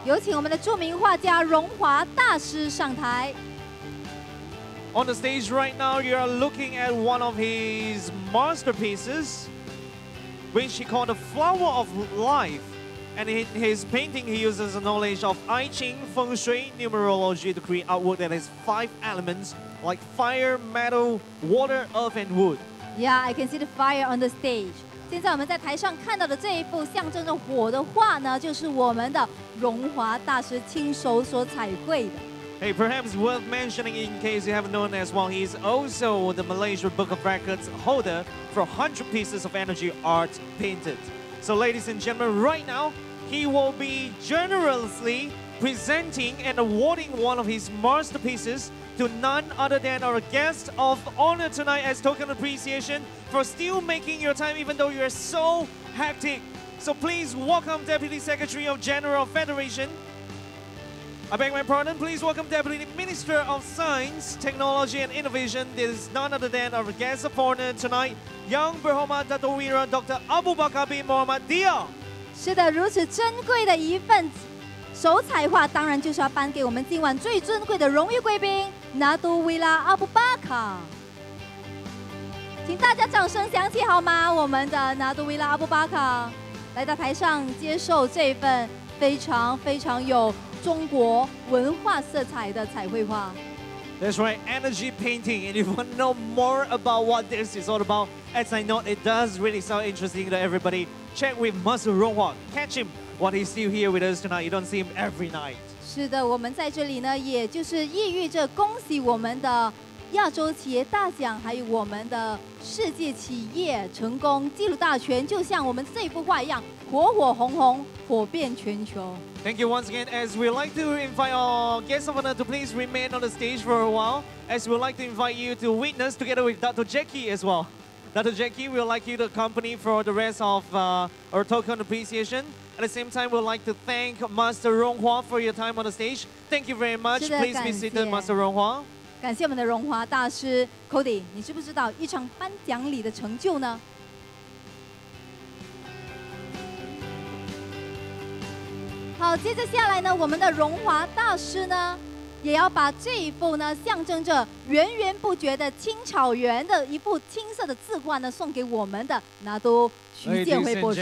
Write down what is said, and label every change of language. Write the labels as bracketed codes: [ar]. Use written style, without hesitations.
[zh] 有请我们的著名画家荣华大师上台。 [en] On the stage right now, you are looking at one of his masterpieces. Which he called the flower of life. And in his painting, he uses the knowledge of I Ching, Feng Shui, numerology to create artwork that has five elements like fire, metal, water, earth, and wood. Yeah, I can see the fire on the stage. 现在我们在台上看到的这一幅象征着火的画呢，就是我们的荣华大师亲手所彩绘的。 Hey, perhaps worth mentioning in case you haven't known as well, he's also the Malaysia Book of Records holder for 100 pieces of energy art painted. So ladies and gentlemen, right now, he will be generously presenting and awarding one of his masterpieces to none other than our guest of honor tonight as token appreciation for still making your time even though you're so hectic. So please welcome Deputy Secretary of General Federation,I beg my pardon, please welcome Deputy Minister of Science, Technology and Innovation. This is none other than our guest of honor tonight, Yang Berhormat Dato' Wira, Dr. Abu Bakar bin Mohamad Dia. [zh] 是的，如此珍贵的一份手彩画，当然就是要颁给我们今晚最尊贵的荣誉贵宾，拿督维拉阿布巴卡。请大家掌声响起好吗？我们的拿督维拉阿布巴卡来到台上接受这份非常非常有中国文化色彩的彩绘画。 [en] That's right, energy painting. And if you want to know more about what this is all about, as I know, it does really sound interesting to everybody. Check with Master Rong Hua. Catch him while he's still here with us tonight. You don't see him every night. [zh] 是的，我们在这里呢，也就是意欲着恭喜我们的亚洲企业大奖，还有我们的世界企业成功纪录大全，就像我们这幅画一样，火火红红，火遍全球。 [en] Thank you once again, as we'd like to invite our guest of honor to please remain on the stage for a while, as we'd like to invite you to witness together with Dr. Jackie as well. Dr. Jackie, we'd like you to accompany for the rest of our token appreciation. At the same time, we'd like to thank Master Rong Hua for your time on the stage. Thank you very much. Please be seated, Master Rong Hua. [zh] 感谢我们的荣华大师 Cody, 你知不知道一场颁奖礼的成就呢？好，接着下来呢，我们的荣华大师呢也要把这一幅呢象征着源源不绝的青草原的一幅青色的字画呢送给我们的拿督徐建辉博士。